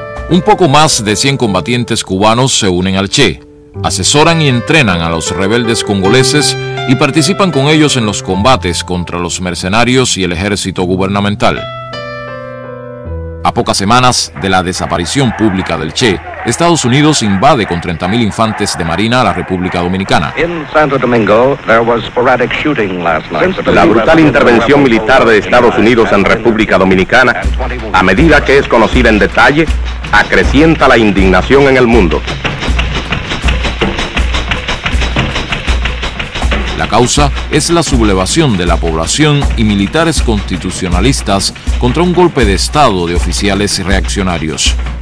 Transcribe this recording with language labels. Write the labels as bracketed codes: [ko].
[es] Un poco más de 100 combatientes cubanos se unen al Che, asesoran y entrenan a los rebeldes congoleses y participan con ellos en los combates contra los mercenarios y el ejército gubernamental. pocas semanas de la desaparición pública del Che, Estados Unidos invade con 30.000 infantes de Marina a la República Dominicana. [en] In Santo Domingo, there was sporadic shooting last night. [es] La brutal intervención militar de Estados Unidos en República Dominicana, a medida que es conocida en detalle, acrecienta la indignación en el mundo. La causa es la sublevación de la población y militares constitucionalistas contra un golpe de Estado de oficiales reaccionarios.